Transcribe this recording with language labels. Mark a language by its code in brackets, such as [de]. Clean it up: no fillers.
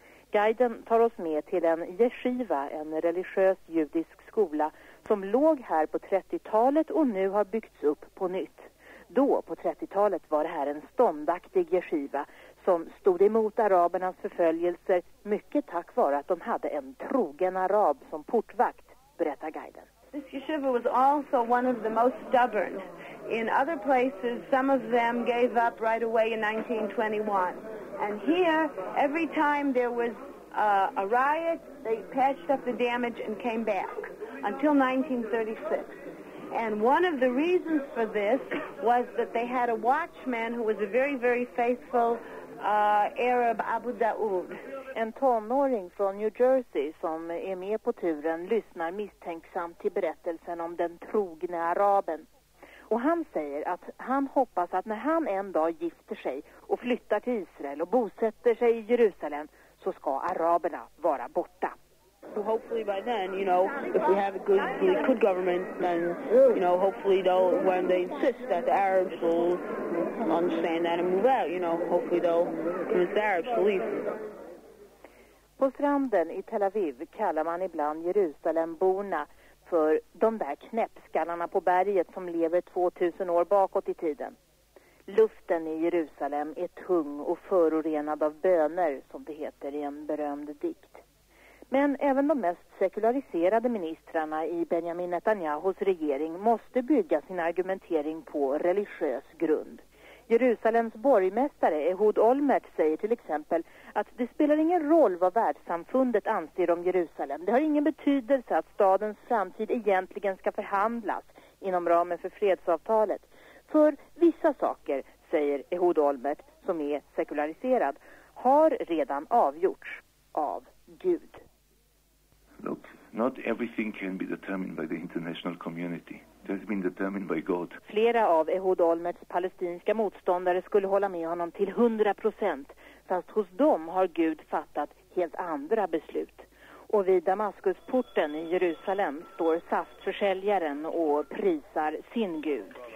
[sv] Guiden tar oss med till en yeshiva, en religiös judisk skola som låg här på 30-talet och nu har byggts upp på nytt. Då, på 30-talet, var det här en ståndaktig yeshiva som stod emot arabernas förföljelser mycket tack vare att de hade en trogen arab som portvakt, berättar guiden. [en] This yeshiva was also one of the most stubborn. In other places, some of them gave up right away in 1921. And here, every time there was a riot, they patched up the damage and came back until 1936. And one of the reasons for this was that they had a watchman who was a very, very faithful Arab, Abu Daoud. [sv] En tonåring från New Jersey som är med på turen lyssnar misstänksamt till berättelsen om den trogna araben. Och han säger att han hoppas att när han en dag gifter sig och flyttar till Israel och bosätter sig i Jerusalem så ska araberna vara borta. [en] So hopefully by then, you know, if we have a good government, then, you know, hopefully they'll, when they insist that the Arabs will understand that and move out, you know, hopefully they'll convince the Arabs to leave. [sv] På stranden i Tel Aviv kallar man ibland Jerusalemborna för de där knäppskallarna på berget som lever 2000 år bakåt i tiden. Luften i Jerusalem är tung och förorenad av böner, som det heter i en berömd dikt. Men även de mest sekulariserade ministrarna i Benjamin Netanyahus regering måste bygga sin argumentering på religiös grund. Jerusalems borgmästare Ehud Olmert säger till exempel att det spelar ingen roll vad världssamfundet anser om Jerusalem. Det har ingen betydelse att stadens framtid egentligen ska förhandlas inom ramen för fredsavtalet. För vissa saker, säger Ehud Olmert, som är sekulariserad, har redan avgjorts av Gud. [en] Look, not everything can be determined by the international community. It has been determined by God. [sv] Flera av Ehud Olmerts palestinska motståndare skulle hålla med honom till 100%, fast hos dem har Gud fattat helt andra beslut. Och vid Damaskusporten i Jerusalem står saftförsäljaren och prisar sin Gud.